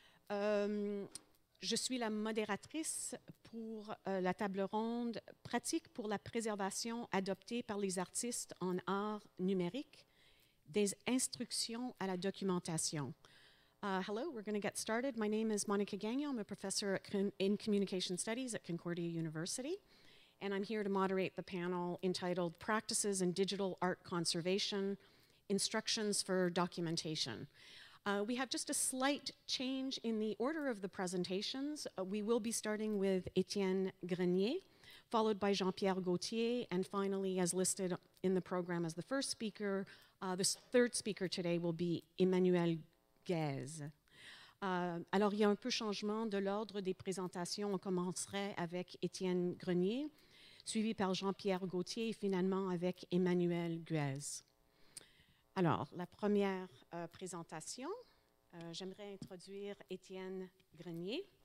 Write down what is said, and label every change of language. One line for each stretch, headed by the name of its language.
French: Je suis la modératrice pour la table ronde « Pratique pour la préservation adoptée par les artistes en art numérique, des instructions à la documentation ».
English: Hello, we're going to get started. My name is Monica Gagnon. I'm a professor in communication studies at Concordia University, and I'm here to moderate the panel entitled Practices in Digital Art Conservation, Instructions for Documentation. We have just a slight change in the order of the presentations. We will be starting with Étienne Grenier, followed by Jean-Pierre Gauthier, and finally, as listed in the program as the first speaker, the third speaker today will be Emmanuel Guèze.
French: Alors, il y a un peu changement de l'ordre des présentations. On commencerait avec Étienne Grenier, suivi par Jean-Pierre Gauthier, et finalement avec Emmanuel Guèze. Alors, la première présentation, j'aimerais introduire Étienne Grenier.